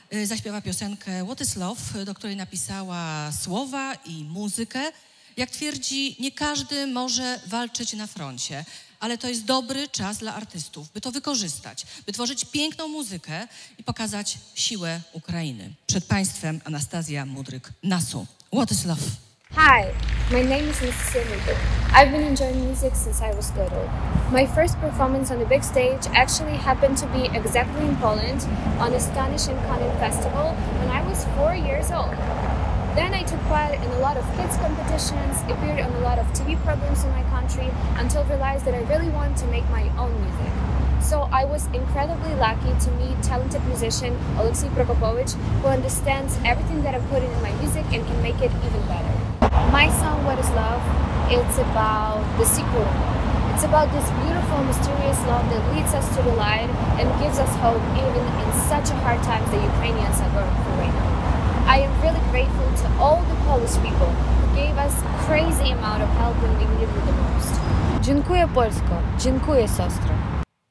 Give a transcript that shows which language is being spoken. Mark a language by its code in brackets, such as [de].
[pl] Zaśpiewa piosenkę What is Love, do której napisała słowa i muzykę. Jak twierdzi, nie każdy może walczyć na froncie. Ale to jest dobry czas dla artystów, by to wykorzystać, by tworzyć piękną muzykę i pokazać siłę Ukrainy. Przed państwem Anastazja Mudryk-Nasu. [en] What is love? Hi, my name is Anastazja Mudryk. I've been enjoying music since I was little. My first performance on the big stage actually happened to be exactly in Poland on the Stanisz & Konin Festival when I was 4 years old. Then I took part in a lot of kids' competitions, appeared on a lot of TV programs in my country, until I realized that I really wanted to make my own music. So I was incredibly lucky to meet talented musician Oleksiy Prokopowicz, who understands everything that I'm putting in my music and can make it even better. My song, What is Love? It's about the secret. It's about this beautiful, mysterious love that leads us to the light and gives us hope even in such a hard time that Ukrainians are going through right now. I am really grateful to all the Polish people who gave us crazy amount of help when we needed it the most. [pl] Dziękuję Polsko. Dziękuję, siostro.